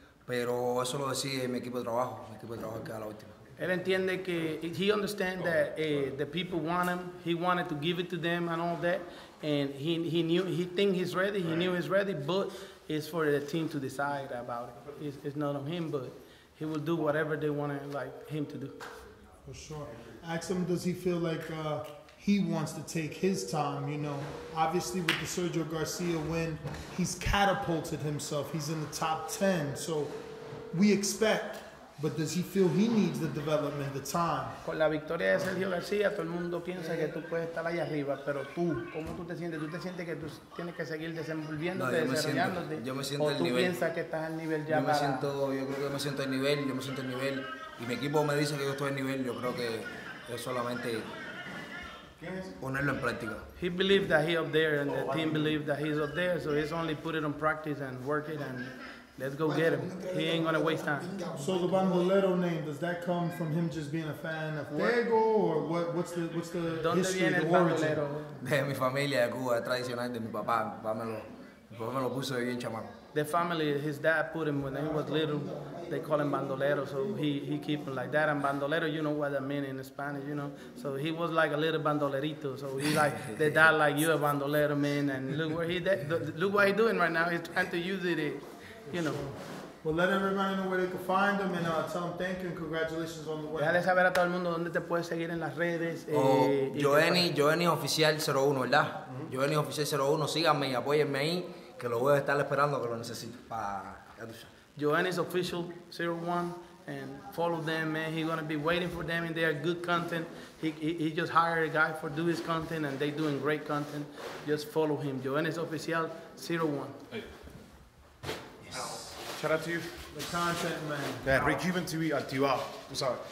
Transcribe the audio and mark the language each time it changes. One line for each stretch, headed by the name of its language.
Spanish: Pero eso lo decide mi equipo de trabajo que a la última. Él entiende que,
English: he understand that the people want him, he wanted to give it to them and all that, and he knew he's ready, but it's for the team to decide about it. It's not on him, but he will do whatever they want him to do. For sure. Ask him, does he feel like he wants to take his time, you know? Obviously, with the Sergio Garcia win, he's catapulted himself. He's in the top 10, so we expect. But does he feel he needs the development, the time?
Spanish: Con la victoria de Sergio Garcia, todo el mundo piensa que tú puedes estar allá arriba, pero tú, ¿cómo tú te sientes? ¿Tú te sientes que tú tienes que seguir desenvolviéndote, desarrollándote? Yo me siento al nivel. ¿O tú piensas que estás al nivel ya? Yo creo que me siento al nivel. Y mi equipo me dice que yo estoy al nivel. Yo creo que es solamente ponerlo en práctica.
English: He believed that he up there, and the team believed that he's up there, so he's only put it on practice and work it, and let's go get him. He ain't gonna waste time. So the Bandolero name, does that come from him just being a fan of Diego, or what's the
Spanish: ¿Dónde
English: history,
Spanish: viene
English: the
Spanish: el
English: origin?
Spanish: Bandolero? De mi familia, de Cuba, tradicional de mi papá. Mi papá me lo puso de bien chamaco.
English: The family, his dad put him when he was little. They call him Bandolero, so he keep him like that. And Bandolero, you know what that means in Spanish, you know. So he was like a little bandolerito. So he like the dad like, you a bandolero, man. And look where look what he doing right now. He's trying to use it, you know. Well, let everybody know where they can find him, and tell them thank you and congratulations on the win.
Spanish: Déjale saber a todo el mundo dónde te puedes seguir en las redes. Joenny Oficial 01, ¿verdad? Mm-hmm. Joenny Oficial 01, síganme y apóyenme ahí, que lo voy a estar esperando, que lo necesito para...
English: Joanny's Official 01, and follow them, man. He's going to be waiting for them, and they are good content. He just hired a guy for do his content, and they doing great content. Just follow him. Joanny's Official 01. Hey. Shout out to you. The content, man. Yeah, Ray Cuban TV Activa. I'm sorry.